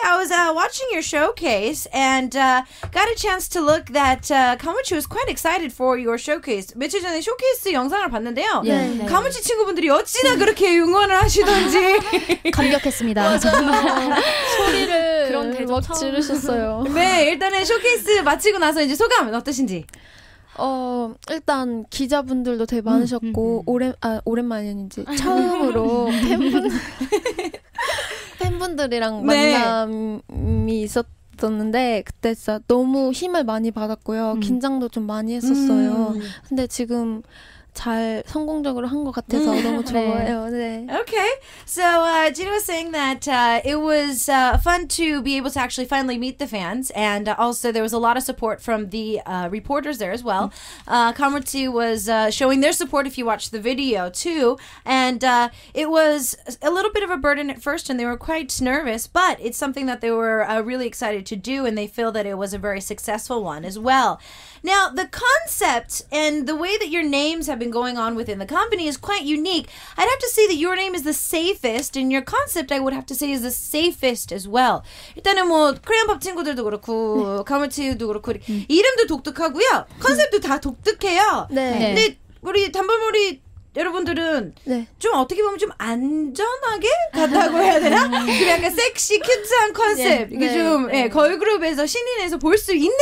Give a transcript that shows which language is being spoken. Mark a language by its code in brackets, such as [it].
[en] I was watching your showcase and got a chance to look that Kamuchi was quite excited for your showcase. [ko] 며칠 전에 쇼케이스 영상을 봤는데요. 네, 네. 가무치 친구분들이 어찌나 그렇게 응원을 하시던지. 감격했습니다. 소리를 그런 대접 막 지르셨어요. 네, 일단은 쇼케이스 마치고 나서 이제 소감 어떠신지. 일단 기자분들도 되게 많으셨고 오랜만인지 처음으로 팬분들이랑 네. 만남이 있었는데 그때 진짜 너무 힘을 많이 받았고요. 긴장도 좀 많이 했었어요. 근데 지금 잘 성공적으로 한 것 같아서 너무 좋아요. 네. 네. [en] Okay. So Gina was saying that it was fun to be able to actually finally meet the fans and also there was a lot of support from the reporters there as well. Kamuchi was showing their support if you watched the video too and it was a little bit of a burden at first and they were quite nervous but it's something that they were really excited to do and they feel that it was a very successful one as well. Now, the concept and the way that your names have been going on within the company is quite unique. I'd have to say that your name is the safest, and your concept, I would have to say, is the safest as well. [ko] 일단은 뭐, 크레용팝 친구들도 그렇고, 네. 카마티도 그렇고, 이름도 독특하고요. 컨셉도 다 독특해요. 네. 근데 우리 단발머리 여러분들은 네. 좀 어떻게 보면 좀 안전하게 갔다고 해야 되나? 그리고 약간 섹시, 큐트한 컨셉. 네. 이게 네. 좀 네. 예, 걸그룹에서 신인에서 볼 수 있는